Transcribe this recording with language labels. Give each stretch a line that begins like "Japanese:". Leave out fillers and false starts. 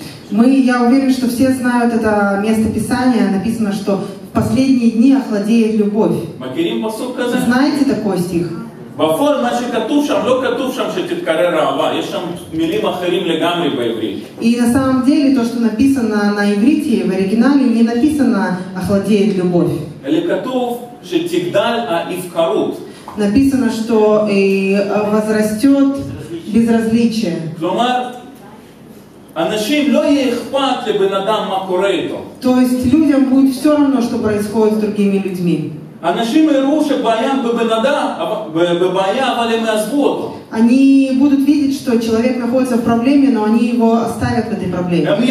Russian: Мы, я уверен, что все знают это место писания, написано, что в последние дни охладеет любовь.
Hebrew: מכירים פסוק כזה?
Russian: Знаете такой стих?
Hebrew: בפועל מה שכתוב שם, לא כתוב שם שתתקרר האהבה, יש שם מילים אחרים לגמרי בעברית.
Russian: И на самом деле то, что написано на иврите в оригинале, не написано охладеет любовь.
Hebrew: אלא כתוב שתגדל האיפקרות.
Russian: Написано, что возрастет безразличие.
Hebrew: כלומר, אנשים לא יאכפת לבן אדם מה קורה איתו.
Russian: То есть людям будет все равно, что происходит с другими людьми.
Hebrew: אנשים יראו שבעיה בבן אדם, בבעיה, אבל הם יעזבו אותו.
Russian: Они будут видеть, что человек находится в проблеме, но они его оставят в этой проблеме.